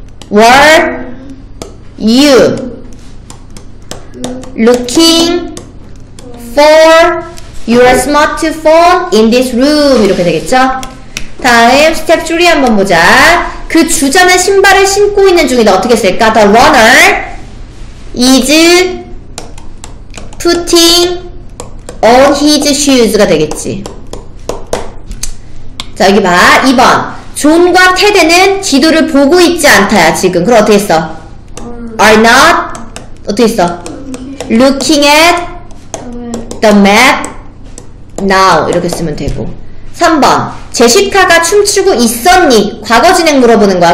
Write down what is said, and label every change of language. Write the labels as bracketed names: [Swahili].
[English] Were you looking for your smartphone in this room? [Korean] 이렇게 되겠죠? 다음, 스텝 3 한번 보자. 그 주자는 신발을 신고 있는 중이다. 어떻게 쓸까? [English] The runner is putting on his shoes [Korean] 가 되겠지. 자, 여기 봐. 2번. 존과 테드는 기도를 보고 있지 않다야, 지금. 그럼 어떻게 써? [English] Are not, [Korean] 어떻게 써? [English] Looking at the map now. [Korean] 이렇게 쓰면 되고. 3번. 제시카가 춤추고 있었니? 과거 진행 물어보는 거야.